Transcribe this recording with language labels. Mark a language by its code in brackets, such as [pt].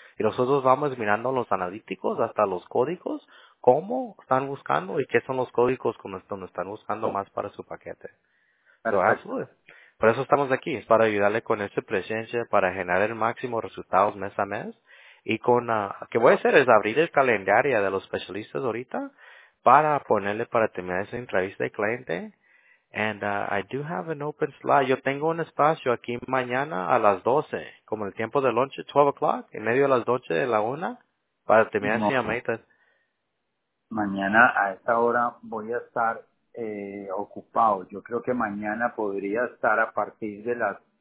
[es] Y nosotros vamos mirando los analíticos hasta los códigos, cómo están buscando y qué son los códigos donde están buscando más para su paquete. Por eso estamos aquí, es para ayudarle con esa presencia, para generar el máximo resultados mes a mes. Y con, que voy a hacer es abrir el calendario de los especialistas ahorita para ponerle para terminar esa entrevista de cliente. [en] And I do have an open slot. [es] Yo tengo un espacio aquí mañana a las 12, como el tiempo de lunch, [en] 12 o'clock, [es] en medio de las 12 de la 1, para terminar esa llamada. Mañana a esta hora voy a estar ocupado. Yo creo que mañana podría estar a partir de las...